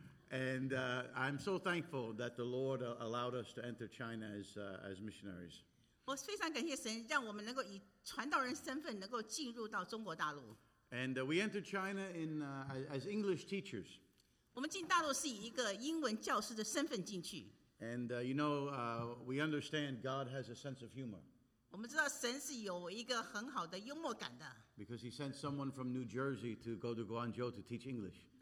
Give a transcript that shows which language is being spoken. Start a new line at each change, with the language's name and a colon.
English: And I'm so thankful that the Lord allowed us to enter China as missionaries.
Chinese: 我非常感谢神，让我们能够以传道人身份能够进入到中国大陆。
English: And we entered China in as English teachers.
Chinese: 我们进大陆是以一个英文教师的身份进去。
English: And we understand God has a sense of humor.
Chinese: 我们知道神是有一个很好的幽默感的。
English: Because he sent someone from New Jersey to go to Guangzhou to teach English.